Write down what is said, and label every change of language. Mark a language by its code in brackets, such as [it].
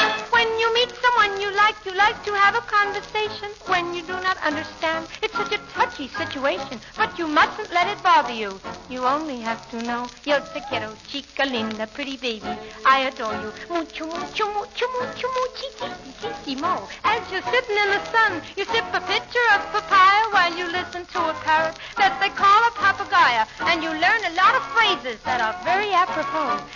[en] When you meet someone you like to have a conversation. When you do not understand, it's such a touchy situation. But you mustn't let it bother you. You only have to know. [es] Yo te quiero, chica linda, [en] pretty baby, I adore you. [es] Mucho, mucho, mucho, mucho, muchísimo. [en] As you're sitting in the sun, you sip a pitcher of papaya while you listen to a parrot that they call a papagaya. And you learn a lot of phrases that are very apropos.